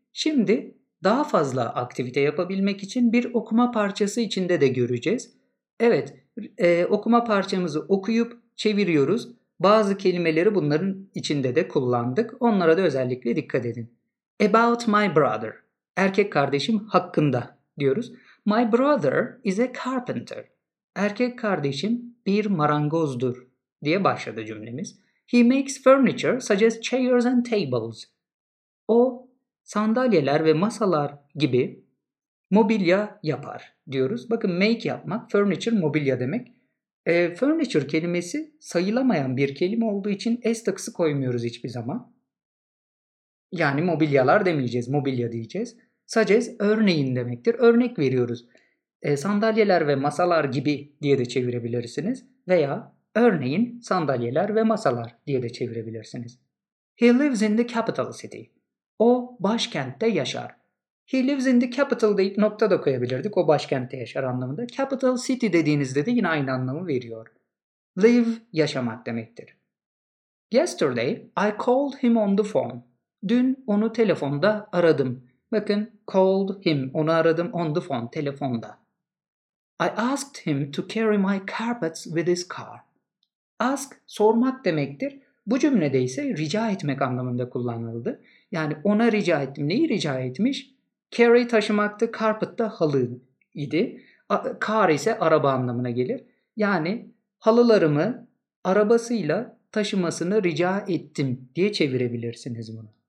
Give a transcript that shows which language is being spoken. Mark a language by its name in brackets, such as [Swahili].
[Turkish] Şimdi daha fazla aktivite yapabilmek için bir okuma parçası içinde de göreceğiz. Evet, okuma parçamızı okuyup çeviriyoruz. Bazı kelimeleri bunların içinde de kullandık. Onlara da özellikle dikkat edin. [English] About my brother. [Turkish] Erkek kardeşim hakkında diyoruz. [English] My brother is a carpenter. [Turkish] Erkek kardeşim bir marangozdur diye başladı cümlemiz. [English] He makes furniture such as chairs and tables. [Turkish] O sandalyeler ve masalar gibi mobilya yapar diyoruz. Bakın make yapmak, furniture mobilya demek. Furniture kelimesi sayılamayan bir kelime olduğu için s takısı koymuyoruz hiçbir zaman. Yani mobilyalar demeyeceğiz, mobilya diyeceğiz. Such as örneğin demektir. Örnek veriyoruz. Sandalyeler ve masalar gibi diye de çevirebilirsiniz. Veya örneğin sandalyeler ve masalar diye de çevirebilirsiniz. [English] He lives in the capital city. [Turkish] O başkentte yaşar. [English] He lives in the capital [Turkish] deyip nokta da koyabilirdik. O başkentte yaşar anlamında. Capital city dediğinizde de yine aynı anlamı veriyor. Live yaşamak demektir. [English] Yesterday I called him on the phone. [Turkish] Dün onu telefonda aradım. Bakın [English] called him, [Turkish] onu aradım [English] on the phone, [Turkish] telefonda. [English] I asked him to carry my carpets with his car. [Turkish] Ask, sormak demektir. Bu cümlede ise rica etmek anlamında kullanıldı. Yani ona rica ettim. Neyi rica etmiş? Carry taşımaktı, carpet de halı idi. Car ise araba anlamına gelir. Yani halılarımı arabasıyla taşımasını rica ettim diye çevirebilirsiniz bunu.